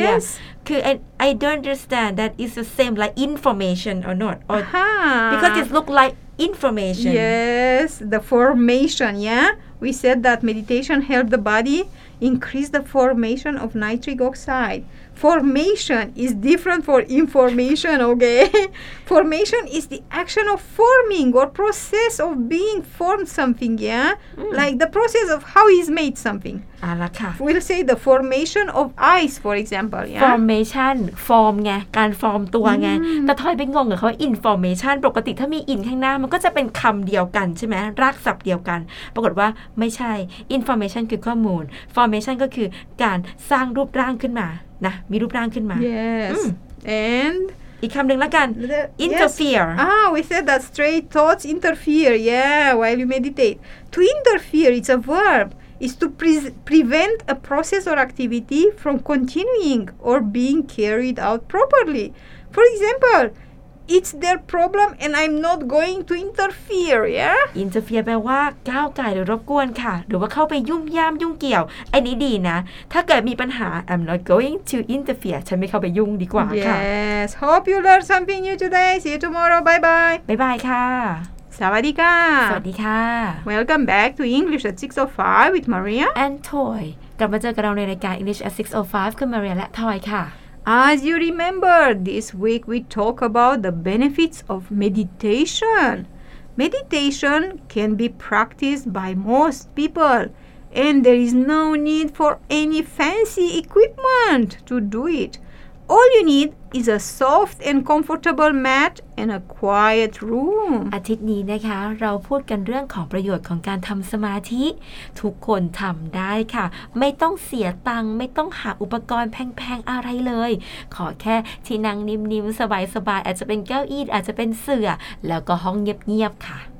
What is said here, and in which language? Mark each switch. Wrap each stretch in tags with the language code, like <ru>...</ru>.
<th>ย น คือ</th> <en>I don't understand that it's the same like information or not or because it's look like information yes the formation yeah we said that meditation helped the body increase the formation of nitric oxide formation is different for information okay formation is the action of forming or process of being formed something yeah like the process of how is made something we'll say the formation of ice for example yeah</en> <th>formation form ไงการ form ตัวไงแต่ทอยไปงงกับเขา information ปกติถ้ามี in ข้างหน้ามันก็จะเป็นคำเดียวกันใช่ไหมรากศัพท์เดียวกันปรากฏว่าไม่ใช่ information คือข้อมูล formation ก็คือการสร้างรูปร่างขึ้นมานะมีรูปร่างขึ้นมา</th> <en>yes and</en> <th>อีกคำหนึ่งแล้วกัน interfere</th> <en>yes. We said that stray thoughts interfere yeah while you meditate to interfere it's a verb is to prevent a process or activity from continuing or being carried out properly for example it's their problem and I'm not going to interfere yeah</en> <th>interfere แปลว่าก้าวก่ายหรือรบกวนค่ะหรือว่าเข้าไปยุ่มย่ามยุ่งเกี่ยวอันนี้ดีนะถ้าเกิดมีปัญหา</th> <en>I'm not going to interfere</en> <th>ฉันไม่เข้าไปยุ่งดีกว่า</th> <en>yes. ค่ ะ yes hope you learned something new today see you tomorrow bye bye bye bye ค่ะ</en> <th>สวัสดีค่ะ สวัสดีค่ะ</th> <en>Welcome back to English at 6:05 with Maria</en> <th>and Toy กลับมาเจอกันเราในรายการ English at 6:05 คือ Maria และ Toy ค่ะ</th> <en>As you remember, this week we talk about the benefits of meditation. Meditation can be practiced by most people, and there is no need for any fancy equipment to do it. All you need is a soft and comfortable mat and a quiet room.</en> <th>อาทิตย์นี้นะคะเราพูดกันเรื่องของประโยชน์ของการทำสมาธิทุกคนทำได้ค่ะไม่ต้องเสียตังค์ไม่ต้องหาอุปกรณ์แพงๆอะไรเลยขอแค่ที่นั่งนิ่มๆสบายๆอาจจะเป็นเก้าอี้อาจจะเป็นเสื่อแล้วก็ห้องเงียบๆค่ะ</th>